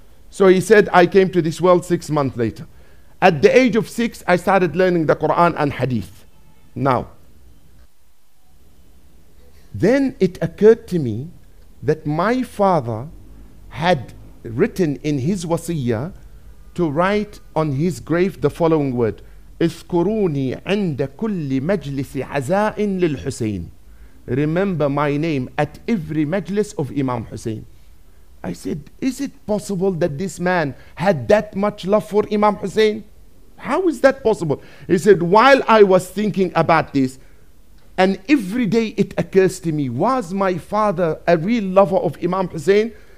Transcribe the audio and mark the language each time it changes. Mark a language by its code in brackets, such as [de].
[en] So he said, I came to this world 6 months later. At the age of six, I started learning the Quran and Hadith. Now, then it occurred to me that my father had written in his wasiyah to write on his grave the following word. [ar] اذكروني عند كل مجلس عزاء للحسين. [en] Remember my name at every majlis of Imam Hussein. I said, is it possible that this man had that much love for Imam Hussein? How is that possible? He said, while I was thinking about this, and every day it occurs to me, was my father a real lover of Imam Hussein?